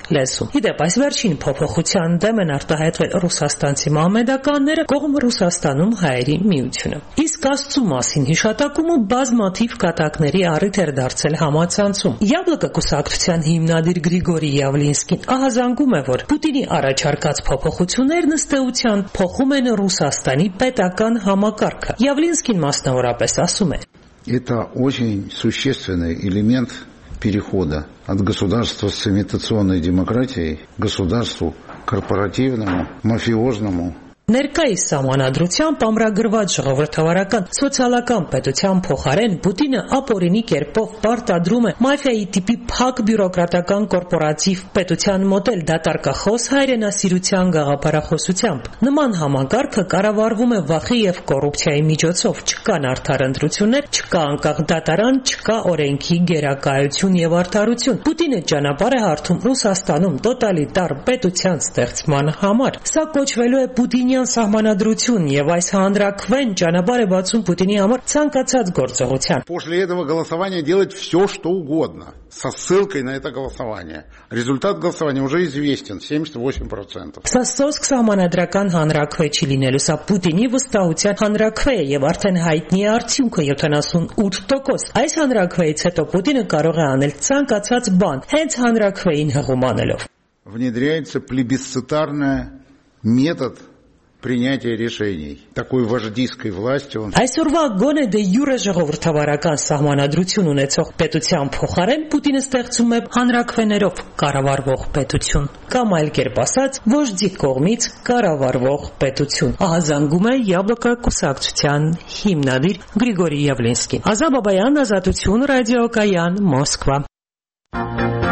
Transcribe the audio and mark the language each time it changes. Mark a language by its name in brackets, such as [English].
[Armenian] լեզու։ Իդեպ, այս վերջին փոփոխության դեմ են արտահայտվել ռուսաստանցի մահմեդականները, կողմ Ռուսաստանում հայերի միությունը։ Իսկ Աստծո մասին հիշատակումը բազմաթիվ կատակների առիթ էր դարձել համացանցում։ Յաբլոկո կուսակցության հիմնադիր Գրիգորի Յավլինսկին ահազանգում է, որ Պուտինի առաջարկած փոփոխություններն ըստեղության փոխում են Ռուսաստանի պետական համակարգը։ Յավլինսկին մասնավորապես ասում է. [Russian] Это очень существенный элемент перехода от государства с имитационной демократией к государству корпоративному, мафиозному. [Armenian] Ներկայիս սահմանադրությամբ ամրագրված ժողովրդավարական սոցիալական պետության փոխարեն Պուտինը ապօրինի կերպով պարտադրում է մաֆիայի տիպի փակ բյուրոկրատական կորպորատիվ պետության մոդել դատարկախոս հայրենասիրության գաղափարախոսությամբ։ Նման համակարգը կառավարվում է վախի և կոռուպցիայի միջոցով, չկան արդարընտրություններ, չկա անկախ դատարան, չկա օրենքի գերակայություն և արդարություն։ Պուտինը ճանապարհ է հարթում Ռուսաստանում տոտալիտար պետության ստեղծման համար։ Սա կոչվելու է Պուտինյան սահմանադրություն, և այս հանրաքվեն ճանապարհ է բացում Պուտինի համար ցանկացած գործողության։ [Russian] После этого голосования делать всё, что угодно, со ссылкой на это голосование. Результат голосования уже известен, 78%. [Armenian] Սա սոսկ սահմանադրական հանրաքվե չի լինելու, սա Պուտինի վստահության հանրաքվե է, և արդեն հայտնի է արդյունքը 78%. Այս հանրաքվեից հետո Պուտինը կարող է անել ցանկացած բան, հենց հանրաքվեին հղումանելով։ [Russian] Внедряется плебисцитарное метод принятия решений. Такой вождиской власти он... [Armenian] Այսօրվա գոնե դե յուրը ժողովրդավարական սահմանադրություն ունեցող պետության փոխարեն Պուտինը ստեղծում է հանրաքվեներով կառավարվող պետություն, կամ այլ կերպ ասած, ոժդի կողմից կառավարվող պետություն։ Ահա զանգում է Յաբլոկա կուսակցության հիմնադիր Գրիգորի Յավլինսկին։ Ազա Բաբայան, Ազատություն ռադիոկայան, Մոսկվա։